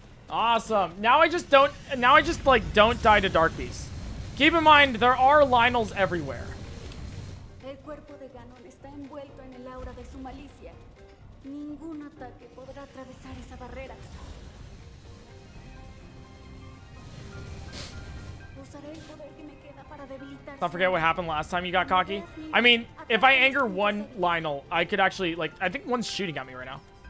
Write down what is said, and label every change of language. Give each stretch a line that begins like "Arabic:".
English: Awesome. Now I just don't die to Dark Beast. Keep in mind, there are Lynels everywhere.
Spanish: El cuerpo de Ganon está envuelto en el aura de su malicia. Ningún ataque podrá atravesar esa barrera. Usaré el poder que me queda para debilitar.
English: Don't forget what happened last time you got cocky. I mean, if I anger one Lynel, I could actually, like, I think one's shooting at me right now.